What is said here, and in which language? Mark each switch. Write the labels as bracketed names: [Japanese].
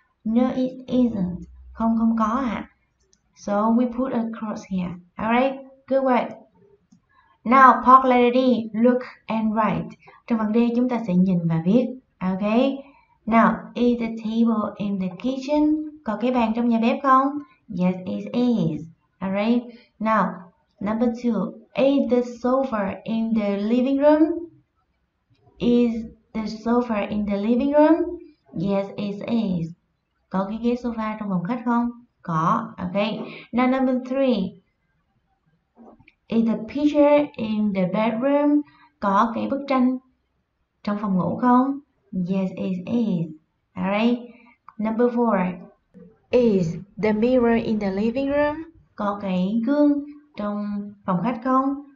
[English] No, it isn't. [Vietnamese] Không, không có ạ. [English] So we put a cross here. All right, good work. Now, park letter D, look and write. [Vietnamese] Trong phần D chúng ta sẽ nhìn và viết. Okay. [English] Now, is the table in the kitchen? [Vietnamese] Có cái bàn trong nhà bếp không? [English] Yes, it is. All right. Now, number two, is the sofa in the living room? Is the sofa in the living room? Yes, it is. [Vietnamese] Có cái ghế sofa trong phòng khách không? Có, okay. [English] Now number three. Is the picture in the bedroom? [Vietnamese] Có cái bức tranh trong phòng ngủ không? [English] Yes, it is. Alright. Number four. Is the mirror in the living room? [Vietnamese] Có cái gương trong phòng khách không?